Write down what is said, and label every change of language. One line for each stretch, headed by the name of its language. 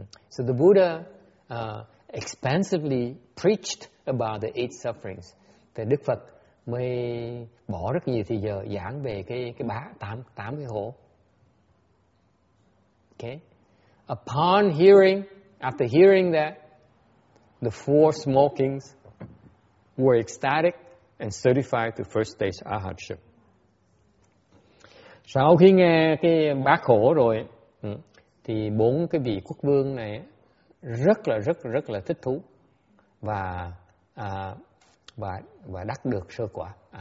English: So the Buddha expansively preached about the eight sufferings.
Vietnamese: Thì Đức Phật mới bỏ rất nhiều thời giờ giảng về tám cái khổ.
English: Okay. After hearing that, the four small kings were ecstatic and certified to first stage arhatship.
Vietnamese: Sau khi nghe cái bát khổ rồi, thì bốn cái vị quốc vương này rất là thích thú và đắc được sơ quả.